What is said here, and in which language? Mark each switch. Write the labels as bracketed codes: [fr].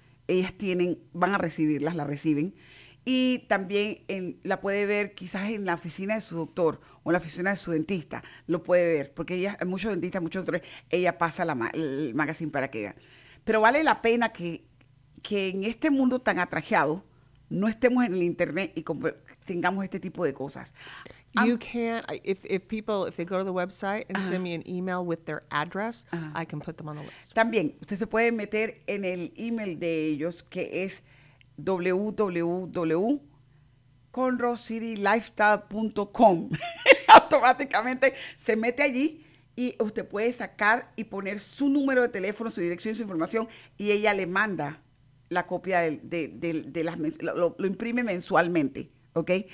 [es] Ellas van a recibirlas, la reciben. Y también la puede ver quizás en la oficina de su doctor o en la oficina de su dentista. Lo puede ver, porque ella, muchos dentistas, muchos doctores, ella pasa el magazine para que vean. Pero vale la pena que en este mundo tan atrajeado no estemos en el internet y tengamos este tipo de cosas. [en] You can't, if they go to the website and uh-huh. send me an email with their address, uh-huh. I can put them on the list. [es] También, usted se puede meter en el email de ellos, que es www.conroecitylifestyle.com. Automáticamente se mete allí y usted puede sacar y poner su número de teléfono, su dirección y su información, y ella le manda la copia de las, lo imprime mensualmente, ¿ok?